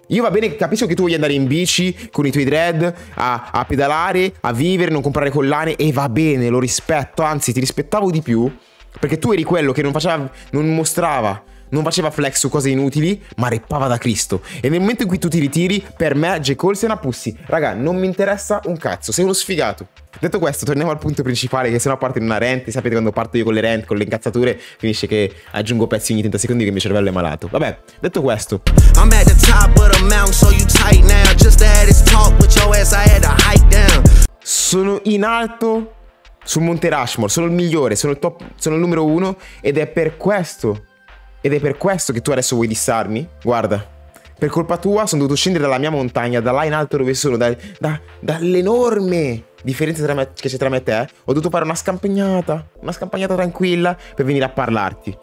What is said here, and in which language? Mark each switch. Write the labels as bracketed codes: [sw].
[it] Io va bene, capisco che tu voglia andare in bici con i tuoi dread, a pedalare, a vivere, non comprare collane, e va bene, lo rispetto, anzi ti rispettavo di più, perché tu eri quello che non faceva, non mostrava, non faceva flex su cose inutili, ma rappava da Cristo. E nel momento in cui tu ti ritiri, per me J. Cole sei una pussy. Raga, non mi interessa un cazzo, sei uno sfigato. Detto questo, torniamo al punto principale, che sennò parte in una rant. Sapete, quando parto io con le rant, con le incazzature, finisce che aggiungo pezzi ogni 30 secondi che il mio cervello è malato. Vabbè, detto questo. [en] I'm at the top of the mountain, so you tight now. Just to add this talk with your ass, I had a hike down. [it] Sono in alto sul Monte Rushmore, sono il migliore, sono il top, sono il numero uno, ed è per questo, ed è per questo che tu adesso vuoi dissarmi? Guarda, per colpa tua sono dovuto scendere dalla mia montagna, da là in alto dove sono, dall'enorme differenza tra me, che c'è tra me e te, ho dovuto fare una scampagnata tranquilla per venire a parlarti.